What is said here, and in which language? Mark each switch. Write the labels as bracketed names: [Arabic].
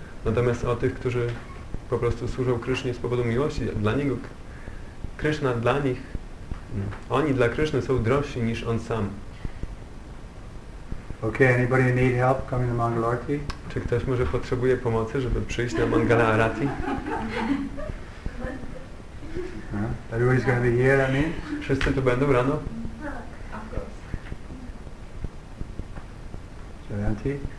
[Polish] Natomiast o tych, którzy po prostu służą Krysznie z powodu miłości, dla niego Kryszna dla nich, oni dla Kryszny są drożsi niż on sam. [English] Okay, anybody need help coming to Mangalarati? [Polish] Czy ktoś może potrzebuje pomocy, żeby przyjść na Mangalarati? Huh? [English] Everybody's going to be here, I mean? [Polish] Wszyscy tu będą rano? Jayanti?